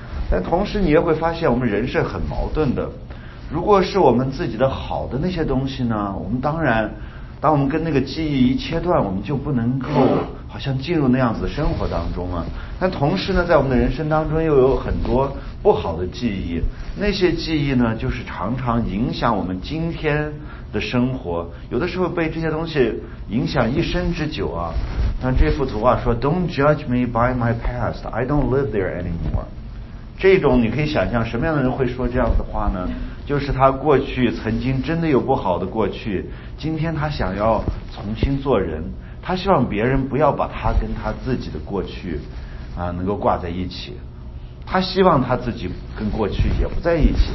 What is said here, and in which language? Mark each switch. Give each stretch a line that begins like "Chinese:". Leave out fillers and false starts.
Chinese: 但同时你也会发现我们人是很矛盾的，如果是我们自己的好的那些东西呢，我们当然当我们跟那个记忆一切断，我们就不能够好像进入那样子的生活当中了。但同时呢，在我们的人生当中又有很多不好的记忆，那些记忆呢就是常常影响我们今天的生活，有的时候被这些东西影响一生之久啊。像这幅图画说
English: Don't judge me by my past, I don't live there anymore。
Chinese: 这种你可以想象什么样的人会说这样的话呢，就是他过去曾经真的有不好的过去，今天他想要重新做人，他希望别人不要把他跟他自己的过去能够挂在一起，他希望他自己跟过去也不在一起。